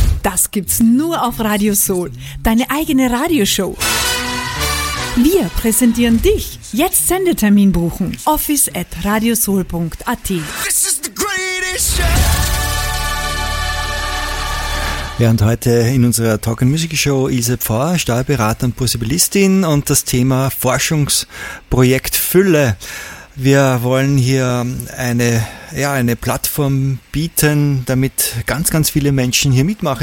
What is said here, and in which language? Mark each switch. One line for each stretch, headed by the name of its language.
German: Das gibt's nur auf Radio Soul. Deine eigene Radioshow. Wir präsentieren dich. Jetzt Sendetermin buchen. office@radiosoul.at.
English: This is the greatest show.
German: Ja, und heute in unserer Talk and Music Show Ilse Pfarrer, Steuerberater und Possibilistin, und das Thema Forschungsprojekt Fülle. Wir wollen hier eine Plattform bieten, damit ganz, ganz viele Menschen hier mitmachen.